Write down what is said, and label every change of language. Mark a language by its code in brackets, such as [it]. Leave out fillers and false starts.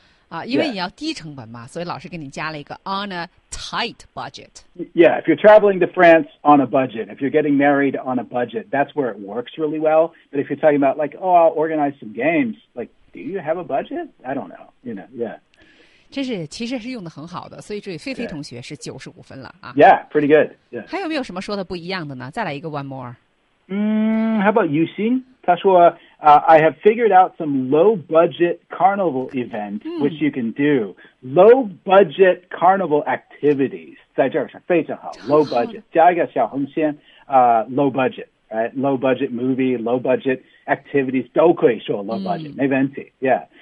[en] right. [zh] 因为你要低成本嘛、所以老师给你加了一个 [en] on a tight budget。 [zh] tight budget. [en] Yeah, if you're traveling to France on a budget, if you're getting married on a budget, that's where it works really well. But if you're talking about like, oh, I'll organize some games, like, do you have a budget? I don't know, you know, yeah. [zh] 真是其实是用得很好的，所以这位菲菲同学是95分了啊。 [en] Yeah, pretty good. Yeah. [zh] 还有没有什么说的不一样的呢？再来一个 [en] one more. How about Yuxin? [zh] 他说 [en] I have figured out some low budget carnival event which you can do. Low budget carnival activities. [zh] 在这儿是非常好 [en] low budget. [zh] 加一个小红心 [en] low budget, right? Low budget movie, low budget activities, [zh] 都可以说 [en] low budget, [zh] 没问题 [en] yeah.